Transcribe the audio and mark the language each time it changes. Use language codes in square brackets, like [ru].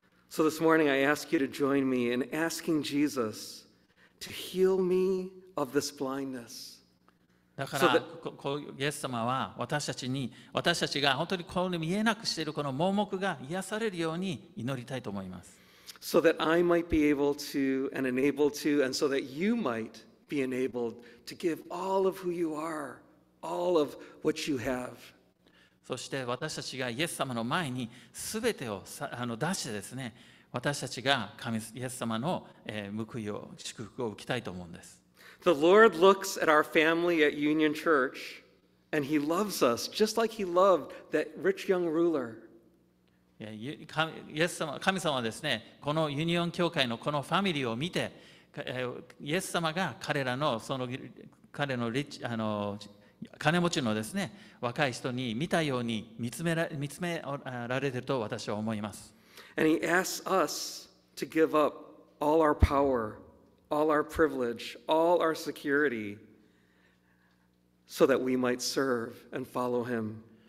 [en] So this morning I ask you to join me in asking Jesus to heal me of this blindness. [ja] だから、イエス様は私たちが本当にこの見えなくしているこの盲目が癒されるように祈りたいと思います。 [en] So that I might be able to and enabled to and so that you might be enabled to give all of who you are, all of what you have. [ja] そして私たちがイエス様の前にすべてを出してですね、私たちが神イエス様の報いを祝福を受けたいと思うんです。 [en] The Lord looks at our family at Union Church and He loves us just like He loved that rich young ruler. [ja] イエス様、神様はですね、このユニオン教会のこのファミリーを見て、イエス様が彼らのその彼のリッチ金持ちのですね、若い人に見たように見つめられていると私は思います。 [en] And he asks us to give up all our power, all our privilege, all our security, so that we might serve and follow him.